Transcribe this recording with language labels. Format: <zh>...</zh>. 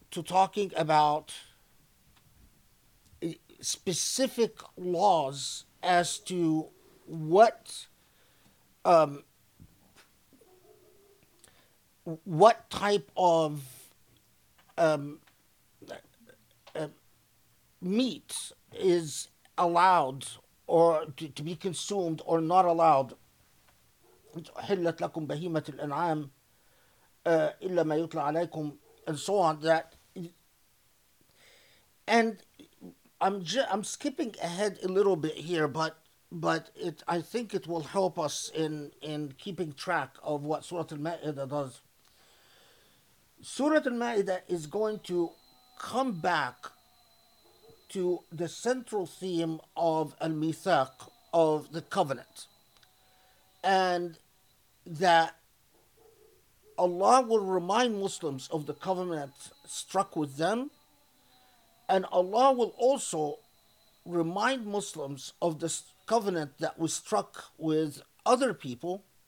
<en>to talking about specific laws as to what type of meat is allowed or to be consumed or not allowed.</en> <ar>حلت لكم بهيمة الأنعام إلا ما يطلع عليكم,</ar> <en>and so on. That, and I'm skipping ahead a little bit here, but I think it will help us in keeping track of what Surah Al-Ma'idah does. Surah Al-Ma'idah is going to come back to the central theme of Al-Mithaq, of the covenant, and that Allah will remind Muslims of the covenant struck with them, and Allah will also remind Muslims of the covenant that was struck with other people.</en>